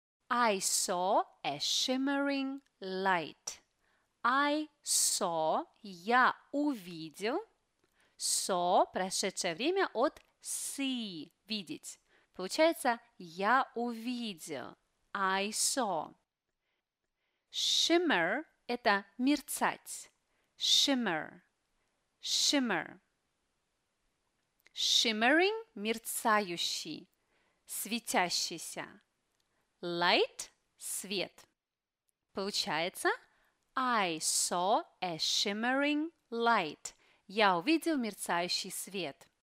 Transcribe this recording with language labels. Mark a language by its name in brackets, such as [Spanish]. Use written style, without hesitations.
[English] I saw a shimmering light. [Russian] I saw, я увидел, saw, прошедшее время от see, видеть. Получается, я увидел, I saw. Shimmer – это мерцать. [English] Shimmer, shimmer. [Russian] Shimmering – мерцающий, светящийся. Light – свет. Получается, [English] I saw a shimmering light. [Russian] Я увидел мерцающий свет.